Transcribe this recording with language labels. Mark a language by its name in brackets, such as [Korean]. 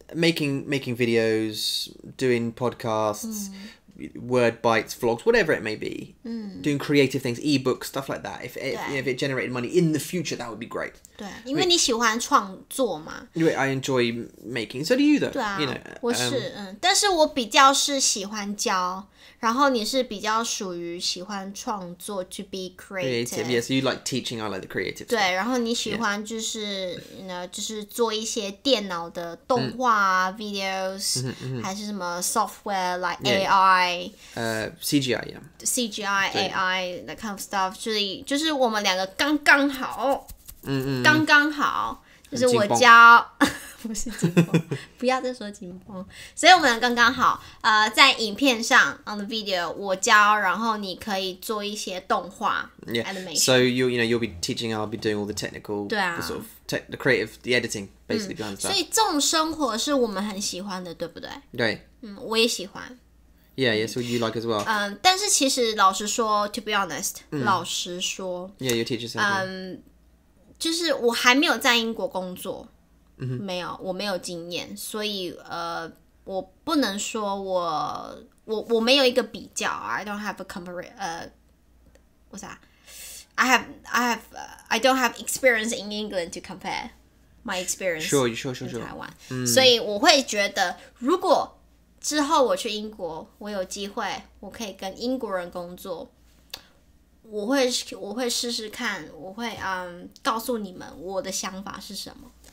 [English] making videos, doing podcasts, word bites, vlogs, whatever it may be, doing creative things, ebooks, stuff like that. If it generated money in the future, that would be great. [Chinese] 对，因为你喜欢创作嘛。 [English] 因为 I enjoy making, so do you though? [Chinese] 对啊， [English] you know, [Chinese] 我是但是我比较是喜欢教。然后你是比较属于喜欢创作 [English] to be creative. Yes, you like teaching, I like the creative. [Chinese] 对，然后你喜欢就是就是做一些电脑的动画啊 videos, 还是什么 [English] software like AI. CGI, yeah. CGI, AI, that kind of stuff. [Chinese] 就是我们两个刚刚好，刚刚好，就是我教。不是紧绷，不要再说紧绷。所以我们刚刚好，在影片上 [English] on the video [Chinese] 我教，然后你可以做一些动画 animation. [English] So you'll be teaching, I'll be doing all the technical, the sort of the creative, the editing, basically behind that. [Chinese] 所以这种生活是我们很喜欢的，对不对？对。我也喜欢。 [English] Yeah, yes, what you like as well. [Chinese] 但是其实老实说 ， [English] to be honest， [Chinese] 老实说 [English] ，Yeah, your teacher said. [Chinese] 就是我还没有在英国工作。没有，我没有经验，所以我不能说我没有一个比较。 [English] I don't have a I don't have experience in England to compare. my experience sure. [Chinese] 台湾、所以我会觉得如果之后我去英国我有机会我可以跟英国人工作我会试试看我会、告诉你们我的想法是什么